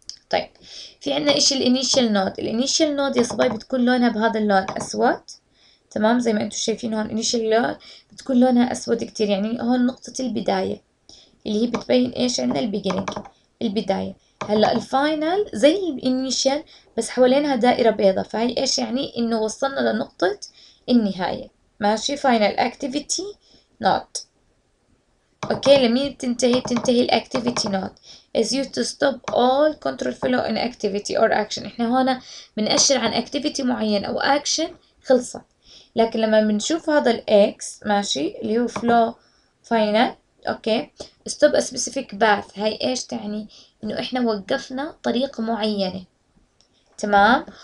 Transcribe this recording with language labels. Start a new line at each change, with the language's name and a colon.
Arabic: طيب في عندنا ايش الانيشال نود، الانيشال نود يا صبايا بتكون لونها بهذا اللون اسود، تمام زي ما انتم شايفين هون انيشال نود بتكون لونها اسود كتير، يعني هون نقطة البداية اللي هي بتبين ايش عندنا البيجينينج البداية. هلا الفاينل زي الانيشال بس حوالينها دائرة بيضة، فهي ايش يعني انه وصلنا لنقطة النهاية. ماشي فاينل اكتيفيتي نود. اوكي لمين بتنتهي، بتنتهي الاكتيفيتي نود
English: is used to stop all control flow in activity or action.
Arabic: احنا هنا بنأشر عن activity معين او action خلصة، لكن لما بنشوف هذا ال x ماشي اللي هو flow final اوكي
English: stop a specific path،
Arabic: هاي ايش تعني انه احنا وقفنا طريق معينة. تمام.